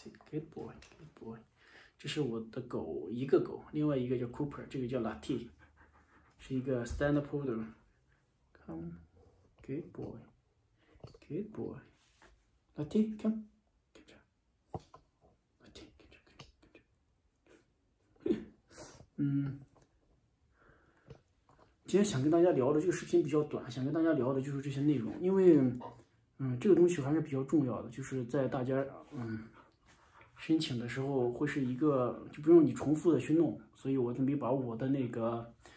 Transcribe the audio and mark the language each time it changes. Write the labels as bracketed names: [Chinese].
[English] Good boy, good boy。 [Chinese] 这是我的狗，一个狗，另外一个叫 Cooper，这个叫 Latte，是一个 Stand Poodle。 [English] Come, good boy, good boy。 Latte, come, come, come, come, come, come, come. [Chinese] 今天想跟大家聊的这个视频比较短，想跟大家聊的就是这些内容，因为，这个东西还是比较重要的，就是在大家，申请的时候会是一个，就不用你重复的去弄，所以我准备把我的那个，